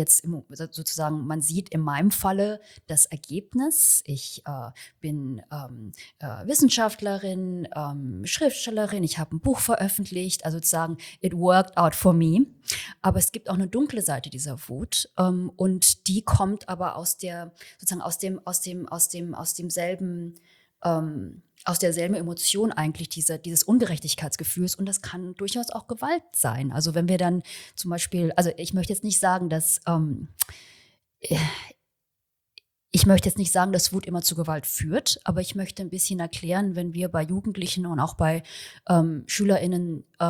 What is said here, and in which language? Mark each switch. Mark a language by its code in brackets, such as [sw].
[de] Jetzt sozusagen, man sieht in meinem Falle das Ergebnis. Ich bin Wissenschaftlerin, Schriftstellerin, ich habe ein Buch veröffentlicht. Also sozusagen, [en] it worked out for me. [de] Aber es gibt auch eine dunkle Seite dieser Wut. Und die kommt aber aus derselben Emotion eigentlich dieses Ungerechtigkeitsgefühls, und das kann durchaus auch Gewalt sein. Also wenn wir dann zum Beispiel, also ich möchte jetzt nicht sagen, dass Wut immer zu Gewalt führt, aber ich möchte ein bisschen erklären, wenn wir bei Jugendlichen und auch bei SchülerInnen